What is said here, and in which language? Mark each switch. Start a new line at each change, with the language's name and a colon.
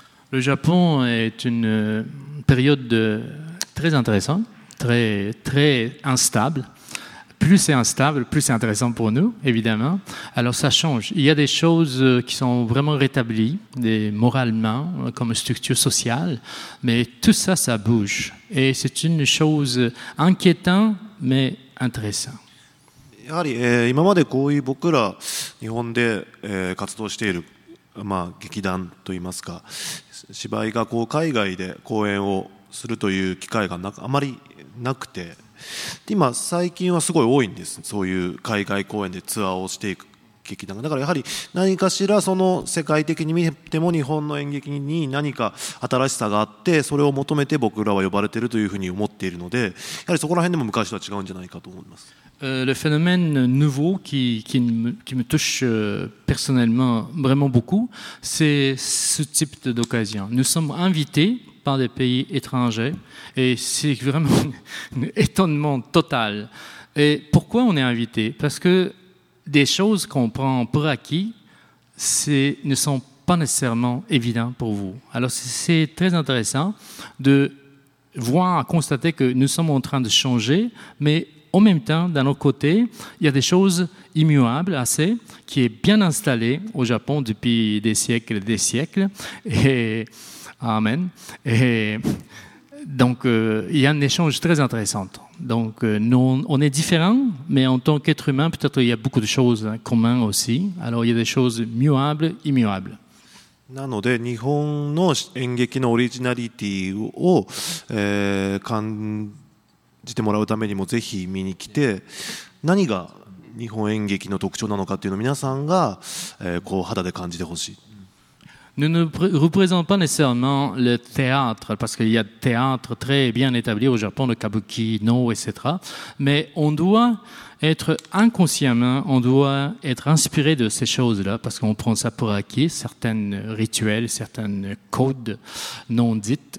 French: Le Japon est une période très intéressante, très, très instable. Plus c'est instable, plus c'est intéressant pour nous, évidemment. Alors ça change. Il y a des choses qui sont vraiment rétablies, des moralement, comme structure sociale, mais tout ça, ça bouge. Et c'est une chose inquiétante, mais intéressante.
Japanese: やはり、今までこういう僕ら日本で、活動している、まあ、劇団といいますか芝居がこう海外で公演をするという機会がなあまりなくて、で今最近はすごい多いんです、そういう海外公演でツアーをしていく劇団が。だからやはり何かしらその世界的に見ても日本の演劇に何か新しさがあって、それを求めて僕らは呼ばれているというふうに思っているので、やはりそこら辺でも昔とは違うんじゃないかと思います。
French: Le phénomène nouveau qui me touche personnellement vraiment beaucoup, c'est ce type d'occasion. Nous sommes invités par des pays étrangers et c'est vraiment un étonnement total. Et pourquoi on est invité? Parce que des choses qu'on prend pour acquis ne sont pas nécessairement évidentes pour vous. Alors c'est très intéressant de voir, constater que nous sommes en train de changer, mais en même temps, d'un autre côté, il y a des choses immuables, assez, qui est bien installées au Japon depuis des siècles et des siècles. Et, amen. Et, donc, il y a un échange très intéressant. Donc, nous, on est différents, mais en tant qu'être humain, peut-être qu'il y a beaucoup de choses communes aussi. Alors, il y a des choses muables, immuables.
Japanese: なので日本の演劇のオリジナリティを、感じてもらうためにもぜひ見に来て、何が日本演劇の特徴なのかっていうのを皆さんが、こう肌で感じてほしい。
French: Nous ne représentons pas nécessairement le théâtre, parce qu'il y a des théâtres très bien établis au Japon, le Kabuki, No, etc. Mais on doit être inconsciemment, on doit être inspiré de ces choses-là, parce qu'on prend ça pour acquis, certains rituels, certains codes non dits.